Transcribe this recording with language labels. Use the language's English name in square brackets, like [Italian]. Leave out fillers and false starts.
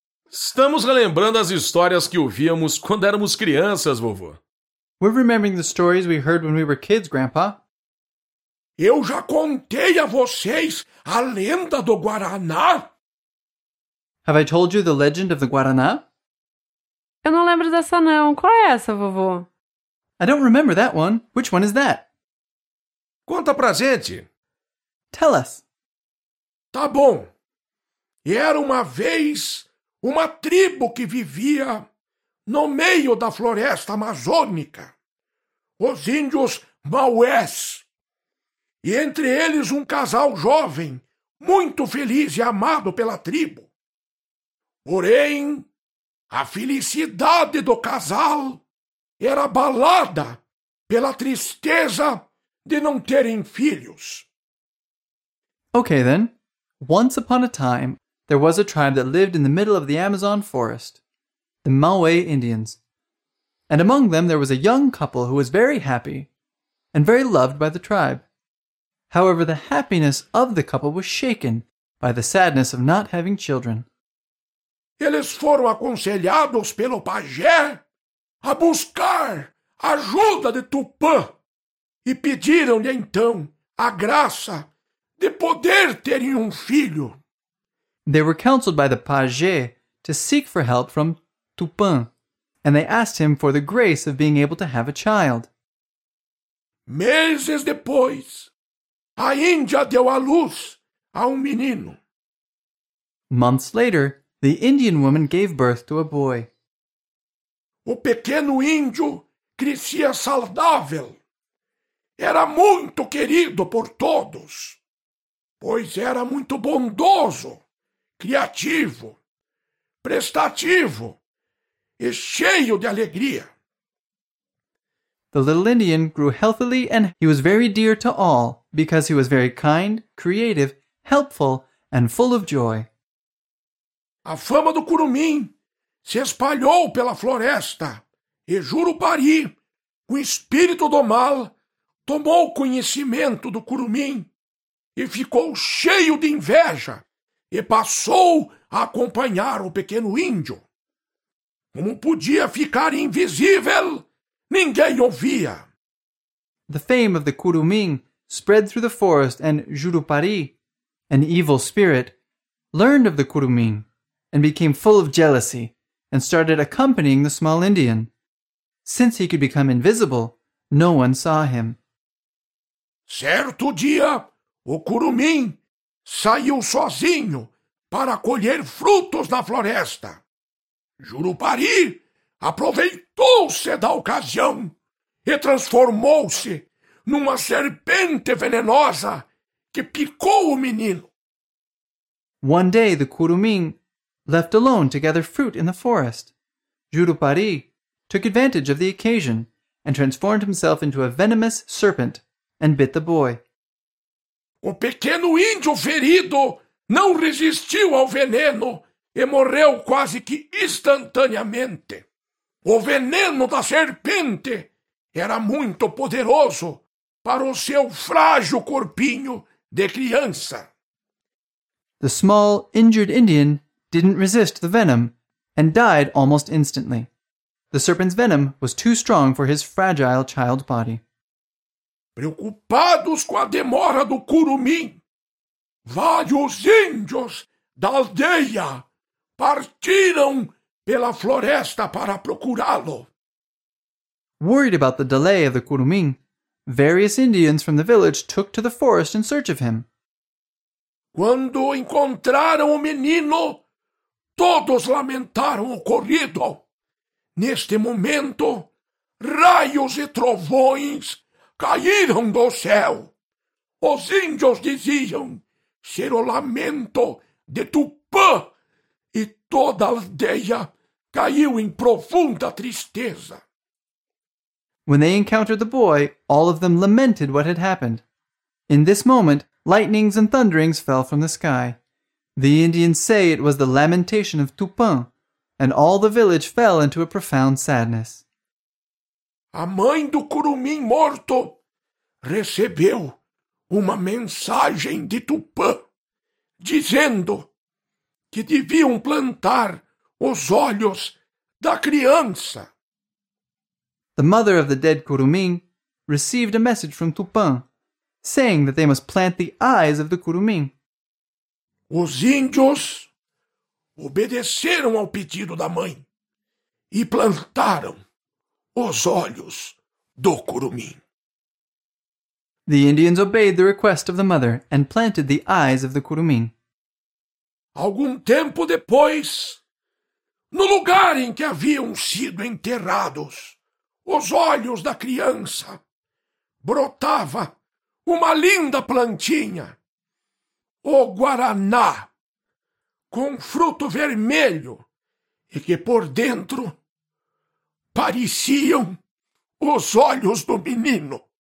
[Portuguese] Estamos relembrando as histórias que ouvíamos quando éramos crianças, vovô. [English] We're remembering the stories we heard when we were kids, Grandpa. [Portuguese] Eu já contei a vocês a lenda do Guaraná. [English] Have I told you the legend of the Guaraná? [Portuguese] Eu não lembro dessa não. Qual é essa, vovô? [English] I don't remember that one. Which one is that? [Portuguese] Conta pra gente. [English] Tell us. [Portuguese] Tá bom. Era uma vez uma tribo que vivia no meio da floresta amazônica. Os índios Maués. E entre eles um casal jovem, muito feliz e amado pela tribo. Porém, a felicidade do casal era abalada pela tristeza de não terem filhos. [English] Okay, then. Once upon a time, there was a tribe that lived in the middle of the Amazon forest, the Maué Indians. And among them, there was a young couple who was very happy and very loved by the tribe. However, the happiness of the couple was shaken by the sadness of not having children. [Portuguese] Eles foram aconselhados pelo pajé a buscar ajuda de Tupã e pediram-lhe então a graça de poder terem filho. [English] They were counseled by the pajé to seek for help from Tupã, and they asked him for the grace of being able to have a child. [Portuguese] Meses depois, a Índia deu à luz a menino. [English] Months later, the Indian woman gave birth to a boy. [Portuguese] O pequeno índio crescia saudável. Era muito querido por todos, pois era muito bondoso, criativo, prestativo e cheio de alegria. [English] The little Indian grew healthily and he was very dear to all because he was very kind, creative, helpful, and full of joy. [Portuguese] A fama do Curumim se espalhou pela floresta e Jurupari, o espírito do mal, tomou conhecimento do Curumim e ficou cheio de inveja e passou a acompanhar o pequeno índio. Como podia ficar invisível? Ninguém ouvia. [English] The fame of the Curumim spread through the forest and Jurupari, an evil spirit, learned of the Curumim and became full of jealousy and started accompanying the small Indian. Since he could become invisible, no one saw him. [Portuguese] Certo dia, o Curumim saiu sozinho para colher frutos na floresta. Jurupari aproveitou-se da ocasião e transformou-se numa serpente venenosa que picou o menino. [English] One day, the Curumim left alone to gather fruit in the forest. Jurupari took advantage of the occasion and transformed himself into a venomous serpent and bit the boy. [Portuguese] O pequeno índio ferido não resistiu ao veneno e morreu quase que instantaneamente. O veneno da serpente era muito poderoso para o seu frágil corpinho de criança. [English] The small, injured Indian didn't resist the venom and died almost instantly. The serpent's venom was too strong for his fragile child body. [Portuguese] Preocupados com a demora do curumim, vários índios da aldeia partiram pela floresta para procurá-lo. [English] Worried about the delay of the curumim, various Indians from the village took to the forest in search of him. [Portuguese] Quando encontraram o menino, todos lamentaram o ocorrido. Neste momento, raios e trovões caíram do céu. Os índios diziam ser o lamento de Tupã e toda a aldeia caiu em profunda tristeza. [English] When they encountered the boy, all of them lamented what had happened. In this moment, lightnings and thunderings fell from the sky. The Indians say it was the lamentation of Tupã, and all the village fell into a profound sadness. [Portuguese] A mãe do curumim morto recebeu uma mensagem de Tupã, dizendo que deviam plantar os olhos da criança. [English] The mother of the dead curumim received a message from Tupã, saying that they must plant the eyes of the curumim. [Portuguese] Os índios obedeceram ao pedido da mãe e plantaram os olhos do curumim. [English] The Indians obeyed the request of the mother and planted the eyes of the curumim. [Portuguese] Algum tempo depois, no lugar em que haviam sido enterrados os olhos da criança, brotava uma linda plantinha, o Guaraná, com fruto vermelho e que por dentro pareciam os olhos do menino.